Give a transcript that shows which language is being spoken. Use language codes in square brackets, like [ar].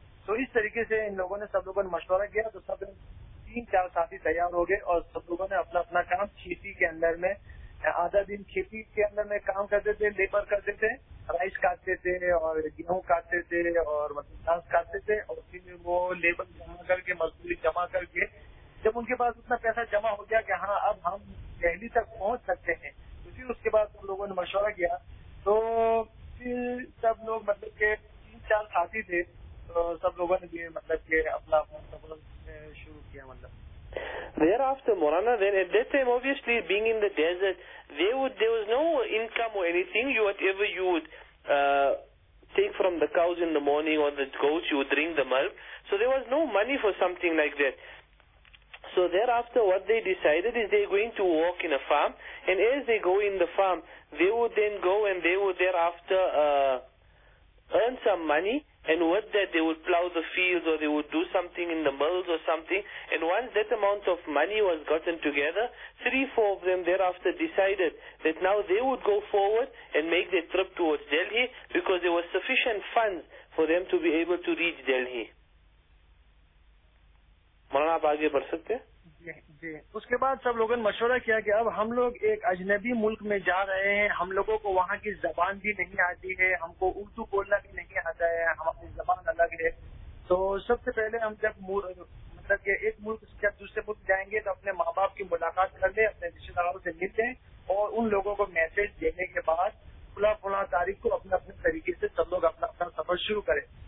[hi] तो इस तरीके से इन लोगों ने सब लोगों ने मशवरा किया, तो सब तीन चार साथी तैयार हो गए और सब लोगों ने अपना अपना काम खेती के अंदर में आधा दिन खेती के अंदर में काम करते थे, लेबर करते थे, राइस काटते थे और गेहूँ काटते थे और मतलब घास काटते थे और फिर वो लेबर जमा करके मजदूरी जमा करके जब उनके पास उतना पैसा जमा हो गया कि हाँ अब हम दिल्ली तक पहुंच सकते हैं, उसी उसके बाद उन लोगों ने मशवरा किया। तो फिर सब लोग मतलब के तीन चार साथी थे तो सब लोगों ने मतलब के अपना शुरू किया। मतलब [en] Thereafter, Morana, then at that time, obviously, being in the desert, there was no income or anything. Whatever you would take from the cows in the morning or the goats, you would drink the milk. So there was no money for something like that. So thereafter, what they decided is they're going to walk in a farm. And as they go in the farm, they would then go and they would thereafter earn some money. And with that, they would plow the fields or they would do something in the mills or something. And once that amount of money was gotten together, three, four of them thereafter decided that now they would go forward and make their trip towards Delhi because there was sufficient funds for them to be able to reach Delhi. [hi] Maulana, aap aage bar sakte? जी। उसके बाद सब लोगों ने मशवरा किया कि अब हम लोग एक अजनबी मुल्क में जा रहे हैं, हम लोगों को वहाँ की जबान भी नहीं आती है, हमको उर्दू बोलना भी नहीं आता है, हमारी जबान अलग है। तो सबसे पहले हम जब मतलब कि एक मुल्क से दूसरे मुल्क जाएंगे तो अपने माँ बाप की मुलाकात कर लें, अपने रिश्तेदारों से मिल लें और उन लोगों को मैसेज देने के बाद फुला फुला तारीख को अपने अपने तरीके से सब लोग अपना अपना सफर शुरू करें।